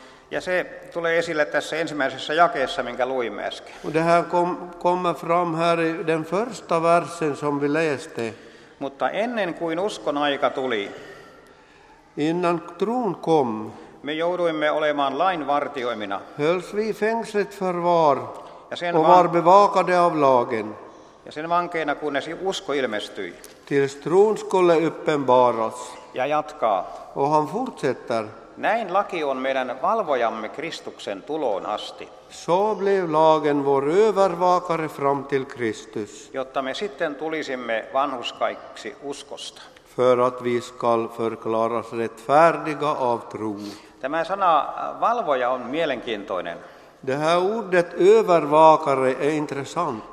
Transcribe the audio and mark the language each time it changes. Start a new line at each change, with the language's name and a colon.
Finnish: Ja se tulee esille tässä ensimmäisessä jakeessa, minkä luimme äsken.
Swedish: Och det här kommer fram här i den första versen som vi läste.
Finnish: Mutta ennen kuin uskon aika tuli,
Swedish: innan tron kom,
Finnish: me jouduimme olemaan lain vartioimina.
Swedish: Hölls vi i fängslet förvar och var bevakade av lagen.
Finnish: Ja sen vankeina, kunnes usko ilmestyi.
Swedish: Tills tron skulle uppenbaras.
Finnish: Ja jatkaa.
Swedish: Och han fortsätter.
Finnish: Näin laki on meidän valvojamme Kristuksen tuloon asti.
Swedish: Så blev lagen vår övervakare fram till Kristus.
Finnish: Jotta me sitten tulisimme vanhuskaiksi uskosta.
Swedish: För att vi skall förklaras rättfärdiga av tro.
Finnish: Tämä sana valvoja on mielenkiintoinen.
Swedish: Det här ordet övervakare är intressant.